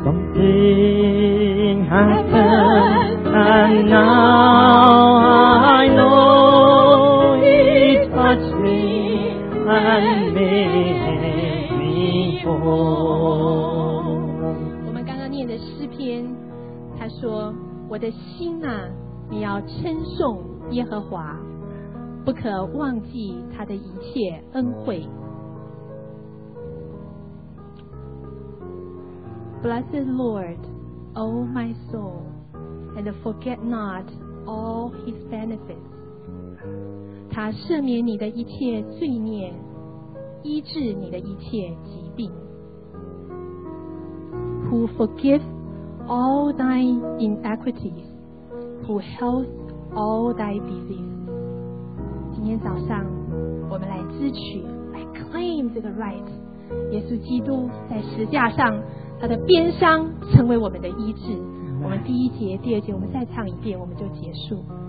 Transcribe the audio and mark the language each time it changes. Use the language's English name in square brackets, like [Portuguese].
[English] Something happened and now I know it touched me and made me whole. [Chinese] 我们刚刚念的诗篇，他说：“我的心啊，你要称颂耶和华。” 不可忘记他的一切恩惠。 [English] Blessed Lord, O my soul, and forget not all his benefits. [Chinese] 他赦免你的一切罪孽，医治你的一切疾病。 [English] Who forgive all thy inequities, who heals all thy diseases. [Chinese] 今天早上我们来支取，来 claim 这个 right， 耶稣基督在十字架上他的鞭伤成为我们的医治。我们第一节第二节我们再唱一遍我们就结束。